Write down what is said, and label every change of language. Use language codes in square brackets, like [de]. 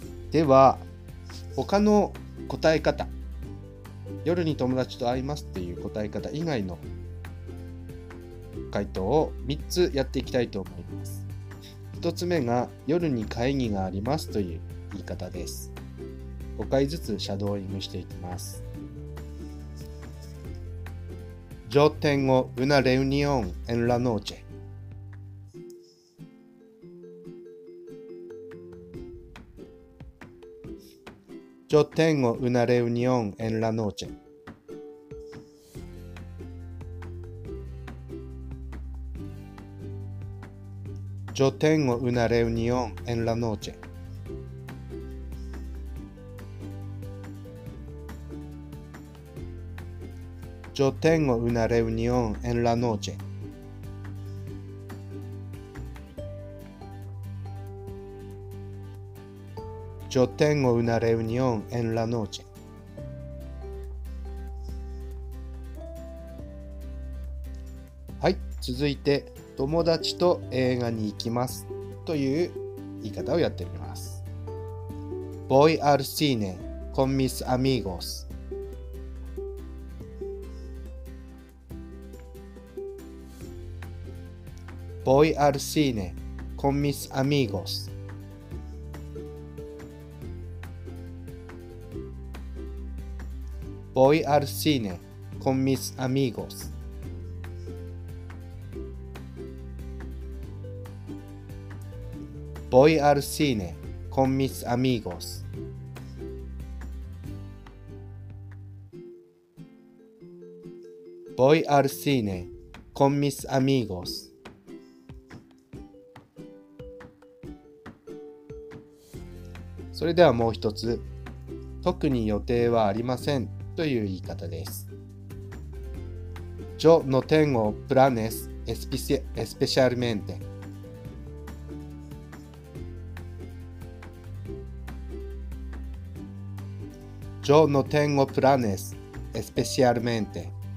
[ja] では他の答え方、夜に友達と会いますっていう答え方以外の回答を3つやっていきたいと思います。 1つ目が夜に会議がありますという言い方です。 5回ずつシャドーイングしていきます。 [es] Yo tengo una reunión en la noche. Yo tengo una reunión en la noche. Yo tengo una reunión en la noche. Yo tengo una reunión en la noche. Yo tengo una reunión en la noche. [ja] はい、続いて友達と映画に行きますという言い方をやってみます。 [es] Voy al cine con mis amigos. Voy al cine con mis amigos. Voy al cine con mis amigos. Voy al cine con mis amigos. Voy al cine con mis amigos. [ja] それではもう一つ、特に予定はありませんという言い方です。 [es] Yo no tengo planes especialmente. Yo no tengo planes especialmente.